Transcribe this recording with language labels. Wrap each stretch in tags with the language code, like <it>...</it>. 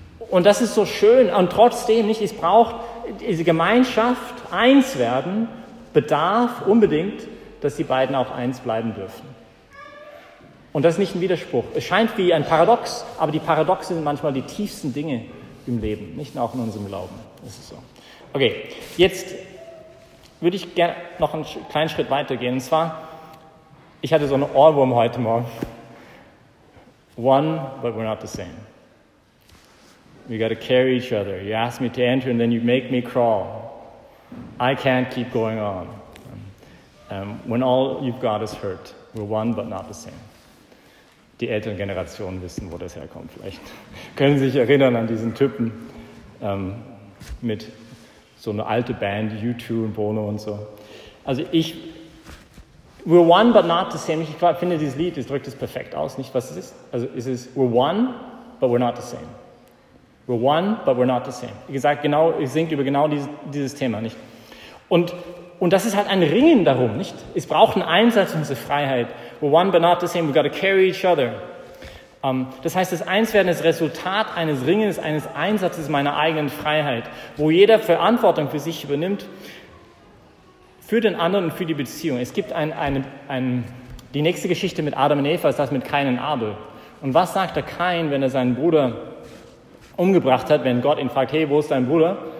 <de>Und das ist so schön. Und trotzdem, nicht, es braucht diese Gemeinschaft, eins werden, bedarf unbedingt, dass die beiden auch eins bleiben dürfen. Und das ist nicht ein Widerspruch. Es scheint wie ein Paradox, aber die Paradoxe sind manchmal die tiefsten Dinge im Leben, nicht nur auch in unserem Glauben. Das ist so. Okay, jetzt würde ich gerne noch einen kleinen Schritt weitergehen. Und zwar, ich hatte so einen Ohrwurm heute Morgen.</de> <en>One, but we're not the same. We got to carry each other. You ask me to enter and then you make me crawl. I can't keep going on. When all you've got is hurt, we're one but not the same.</en> <de>Die älteren Generationen wissen, wo das herkommt. Vielleicht können sich erinnern an diesen Typen mit so einer alten Band, U2 und Bono und so. Also ich,</de> <en>we're one but not the same.</en> <de>Ich finde dieses Lied, das drückt es perfekt aus, nicht was es ist. Also es ist,</de> <en>we're one but we're not the same. We're one, but we're not the same.</en> <de>Wie gesagt, genau, es singt über genau dieses Thema, nicht? Und das ist halt ein Ringen darum, nicht? Es braucht einen Einsatz in diese Freiheit.</de> <en>We're one, but not the same. We've got to carry each other.</en> <de>Das heißt, das Einswerden ist Resultat eines Ringens, eines Einsatzes meiner eigenen Freiheit, wo jeder Verantwortung für sich übernimmt, für den anderen und für die Beziehung. Es gibt die nächste Geschichte mit Adam und Eva, ist das mit Kain und Abel. Und was sagt der Kain, wenn er seinen Bruder umgebracht hat, wenn Gott ihn fragt, hey, wo ist dein Bruder?</de>